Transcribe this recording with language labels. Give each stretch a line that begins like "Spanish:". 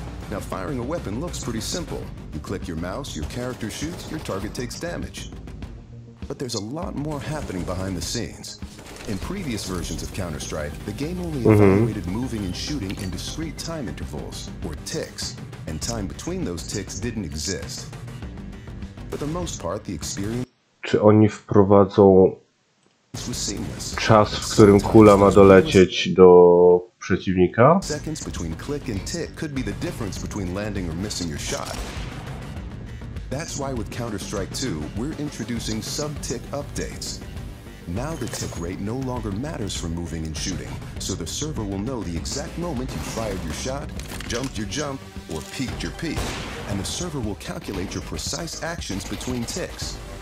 English: Now firing a weapon looks pretty simple. You click your mouse, your character shoots, your target takes damage. But there's a lot more happening behind the scenes. In previous versions of Counter-Strike, the game only evaluated moving and shooting in discrete time intervals, or ticks, and time between those ticks didn't exist. For the most part, the experience...
Polish: Czy oni wprowadzą czas, w którym kula ma dolecieć do przeciwnika?
English: Seconds between click and tick could be the difference between landing or missing your shot. That's why with Counter-Strike 2, we're introducing sub-tick updates. Now the tick rate no longer matters for moving and shooting, so the server will know the exact moment you fired your shot, jumped your jump, or peaked your peak, and the server will calculate your precise actions between ticks.